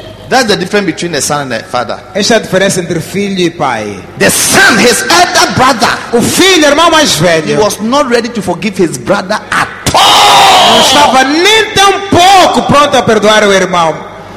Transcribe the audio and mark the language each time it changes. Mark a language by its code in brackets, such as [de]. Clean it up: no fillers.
[en] That's the difference between the son and the father. [pt] Essa é a diferença entre filho e pai. [en] The son, his elder brother. [pt] O filho, irmão mais velho. [en] He was not ready to forgive his brother at all. [pt] Não estava nem tão pouco pronto a perdoar o irmão.